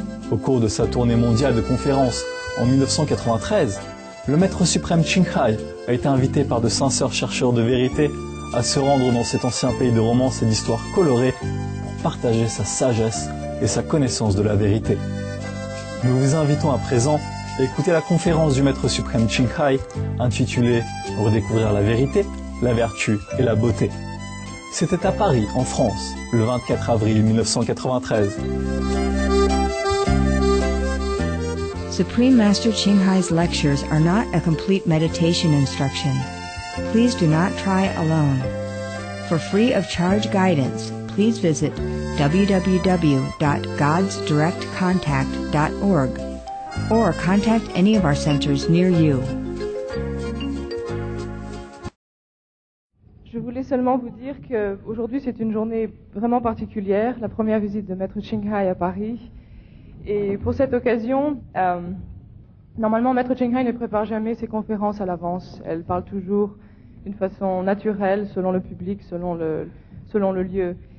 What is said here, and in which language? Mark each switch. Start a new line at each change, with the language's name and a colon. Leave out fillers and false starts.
French: Au cours de sa tournée mondiale de conférences en 1993, le maître suprême Qinghai a été invité par de sincères chercheurs de vérité à se rendre dans cet ancien pays de romance et d'histoire colorée pour partager sa sagesse et sa connaissance de la vérité. Nous vous invitons à présent à écouter la conférence du maître suprême Qinghai intitulée « Redécouvrir la vérité, la vertu et la beauté ». C'était à Paris, en France, le 24 avril 1993.
English: Supreme Master Qinghai's lectures are not a complete meditation instruction. Please do not try alone. For free of charge guidance, please visit www.godsdirectcontact.org or contact any of our centers near you.
French: Je voulais seulement vous dire que aujourd'hui c'est une journée vraiment particulière, la première visite de Maître Qinghai à Paris. Et pour cette occasion, normalement, Maître Qinghai ne prépare jamais ses conférences à l'avance. Elle parle toujours d'une façon naturelle, selon le public, selon le lieu.